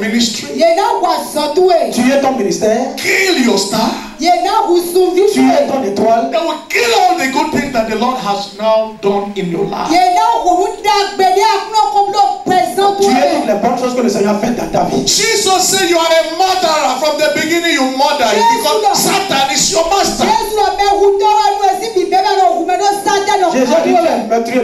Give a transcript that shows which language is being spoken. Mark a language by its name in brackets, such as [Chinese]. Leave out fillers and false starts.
[French] Ils vont tuer ton ministère. Ils vont tuer ton ministère. Ils vont tuer ton star. Ils vont tuer ton étoile. Ils vont tuer toutes les bonnes choses que le Lord a fait dans ta vie. vont tuer toutes les bonnes choses que le Seigneur a fait dans ta vie. [English] Jesus said you are a murderer from the beginning. You murder because Satan is your master. [French] Jésus a dit que tu es un meurtrier